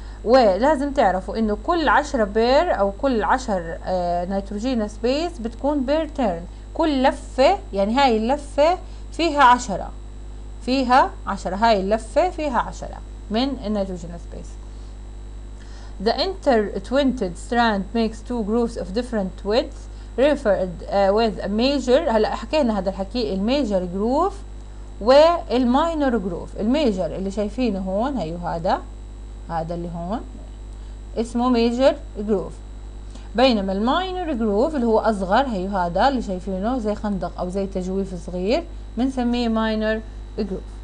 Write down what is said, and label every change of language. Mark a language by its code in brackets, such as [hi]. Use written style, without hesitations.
[ar] ولازم تعرفوا انه كل 10 بير او كل 10 نيتروجين سبيس بتكون بير تيرن. كل لفة يعني هاي اللفة فيها 10، فيها 10، هاي اللفة فيها 10 من النيتروجين سبيس. [en] The intertwined strand makes two grooves of different widths referred with a major. [ar] هلا حكينا هذا الحكي الميجر جروف والماينر جروف. الميجر اللي شايفينه هون هيو هذا، هذا اللي هون اسمه ميجر جروف، بينما الماينر جروف اللي هو اصغر هيو هذا اللي شايفينه زي خندق او زي تجويف صغير بنسميه ماينر جروف.